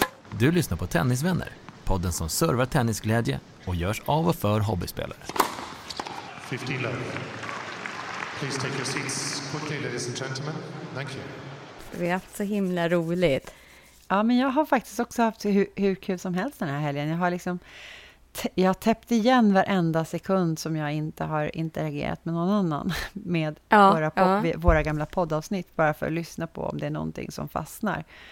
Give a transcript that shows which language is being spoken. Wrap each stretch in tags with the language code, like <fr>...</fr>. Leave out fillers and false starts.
<sv>Du lyssnar på Tennisvänner, podden som servar tennisglädje och görs av och för hobbyspelare.</sv> <en>15 love. Please take your seats quickly, ladies and gentlemen. Thank you.</en> <sv>Vi har haft så himla roligt. Ja, men jag har faktiskt också haft hur kul som helst den här helgen. Jag har liksom täppt igen varenda sekund som jag inte har interagerat med någon annan med våra gamla poddavsnitt, bara för att lyssna på om det är någonting som fastnar.</sv>